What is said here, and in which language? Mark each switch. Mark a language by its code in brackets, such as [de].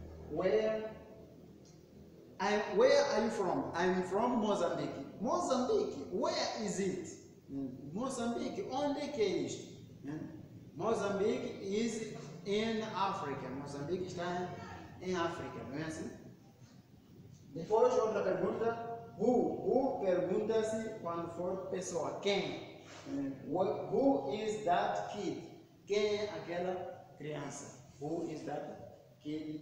[en] Where are you from? I'm from Mozambique. Mozambique, where is it? [pt] Mozambique, onde que é isto? [en] Mozambique is in Africa. [pt] Mozambique está em África, não é assim? Depois, outra pergunta. Who pergunta-se quando for pessoa? Quem? [en] Who is that kid? [pt] Quem é aquela criança? [en] Who is that kid?